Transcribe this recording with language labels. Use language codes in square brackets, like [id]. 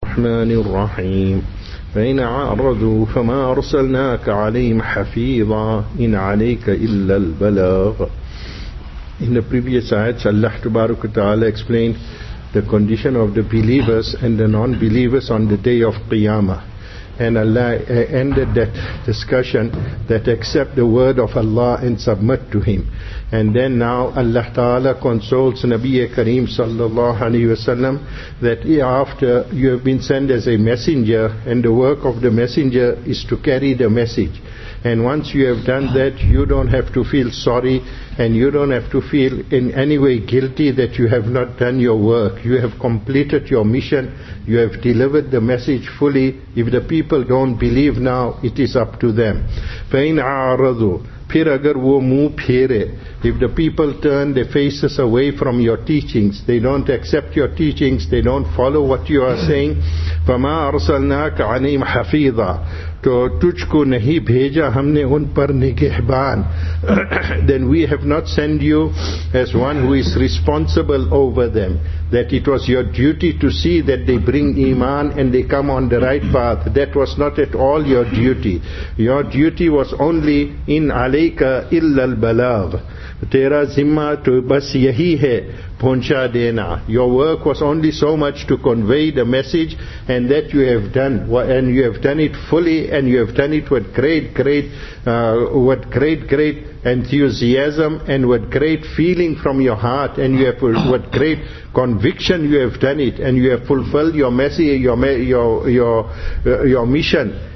[ar] الرحمن الرحيم فإن عارضوا فما أرسلناك عليهم حفيظا إن عليك إلا البلاغ. [en] In the previous ayats, Allah Tabarak wa Ta'ala explained the condition of the believers and the non-believers on the day of Qiyamah. And Allah ended that discussion that accept the word of Allah and submit to Him. And then now Allah Ta'ala consoles Nabiya Kareem sallallahu alayhi wasallam that after you have been sent as a messenger, and the work of the messenger is to carry the message. And once you have done that, you don't have to feel sorry, and you don't have to feel in any way guilty that you have not done your work. You have completed your mission, you have delivered the message fully. If the people don't believe now, it is up to them. [ar] فَإِنْ عَارَضُوا [ur] پھر اگر وہ مو پھیرے. [en] If the people turn their faces away from your teachings, they don't accept your teachings, they don't follow what you are saying. [ar] فَمَا أَرْسَلْنَاكَ عَنِيمْ حَفِيظًا [ur] تو تجھ کو نہیں بھیجا ہم نے ان پر نگہبان. [en] Then we have not sent you as one who is responsible over them. That it was your duty to see that they bring iman and they come on the right path. That was not at all your duty. Your duty was only in [ar] عَلَيْكَ إِلَّا الْبَلَاغِ. [ur] تیرا ذمہ تو بس یہی ہے پہنچا دینا. [en] Your work was only so much to convey the message, and that you have done, and you have done it fully, and you have done it with great enthusiasm, and with great feeling from your heart, and you have with great conviction you have done it, and you have fulfilled your mission.